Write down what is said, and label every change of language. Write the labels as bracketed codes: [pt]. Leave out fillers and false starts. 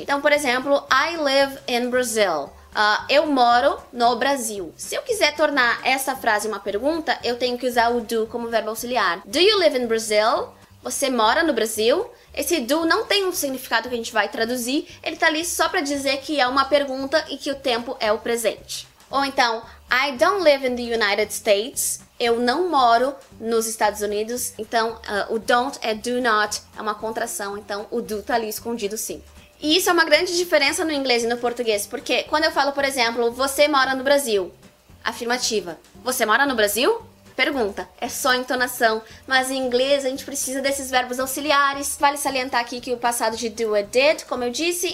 [pt] Então, por exemplo, [en] I live in Brazil. [pt] Eu moro no Brasil. Se eu quiser tornar essa frase uma pergunta, eu tenho que usar o do como verbo auxiliar. [en] Do you live in Brazil? [pt] Você mora no Brasil? Esse do não tem um significado que a gente vai traduzir. Ele tá ali só pra dizer que é uma pergunta e que o tempo é o presente. Ou então, [en] I don't live in the United States. [pt] Eu não moro nos Estados Unidos. Então, o don't é do not. É uma contração, então o do tá ali escondido sim. E isso é uma grande diferença no inglês e no português. Porque quando eu falo, por exemplo, você mora no Brasil? Afirmativa. Você mora no Brasil? Pergunta. É só entonação. Mas em inglês a gente precisa desses verbos auxiliares. Vale salientar aqui que o passado de do é did, como eu disse.